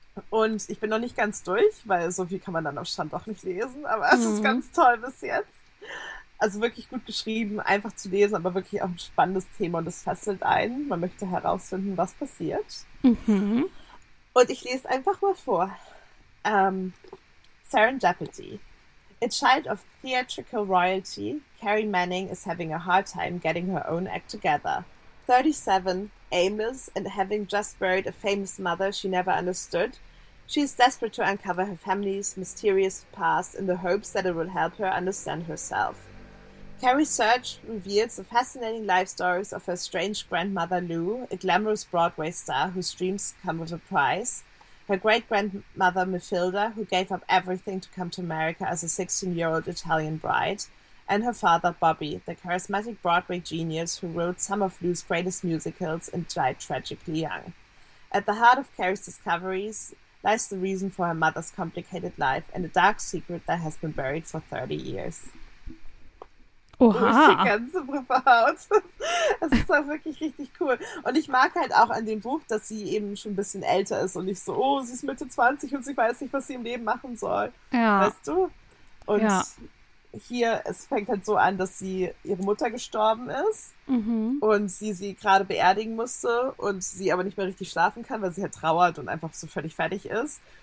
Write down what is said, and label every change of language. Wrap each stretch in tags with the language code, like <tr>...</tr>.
<de>Und ich bin noch nicht ganz durch, weil so viel kann man dann am Stand doch nicht lesen. Aber es ist ganz toll bis jetzt. Also wirklich gut geschrieben, einfach zu lesen, aber wirklich auch ein spannendes Thema und es fesselt einen. Man möchte herausfinden, was passiert. Und ich lese einfach mal vor. Serendipity.</de> <en>A child of theatrical royalty, Carrie Manning is having a hard time getting her own act together. 37, aimless, and having just buried a famous mother she never understood, she is desperate to uncover her family's mysterious past in the hopes that it will help her understand herself. Carrie's search reveals the fascinating life stories of her estranged grandmother Lou, a glamorous Broadway star whose dreams come with a price, her great-grandmother Mathilda, who gave up everything to come to America as a 16-year-old Italian bride, and her father Bobby, the charismatic Broadway genius who wrote some of Lou's greatest musicals and died tragically young. At the heart of Carrie's discoveries lies the reason for her mother's complicated life and a dark secret that has been buried for 30 years.</en> <de>Durch die Oha. ganze Brüderhaut. Es ist auch wirklich richtig cool. Und ich mag halt auch an dem Buch, dass sie eben schon ein bisschen älter ist und nicht so, oh, sie ist Mitte 20 und sie weiß nicht, was sie im Leben machen soll. Ja. Weißt du? Ja. Und hier, es fängt halt so an, dass sie ihre Mutter gestorben ist und sie gerade beerdigen musste und sie aber nicht mehr richtig schlafen kann, weil sie halt trauert und einfach so völlig fertig ist.</de>